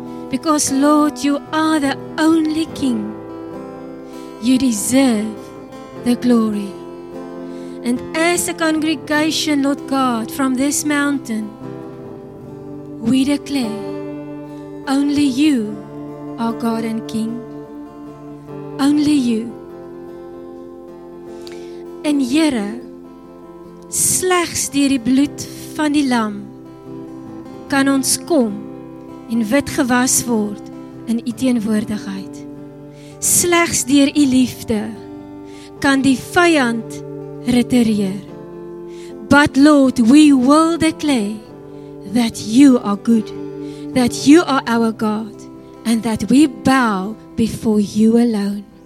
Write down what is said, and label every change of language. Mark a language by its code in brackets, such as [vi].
[en] Because Lord, You are the only King. You deserve the glory. And as a congregation, Lord God, from this mountain, we declare, only You are God and King. Only You. [af] En Here, slegs deur die bloed van die lam kan ons kom en wit gewas word in U teenwoordigheid. Slegs deur U liefde kan die vyand retireer. [en] But Lord, we will declare that You are good, that You are our God, and that we bow before You alone.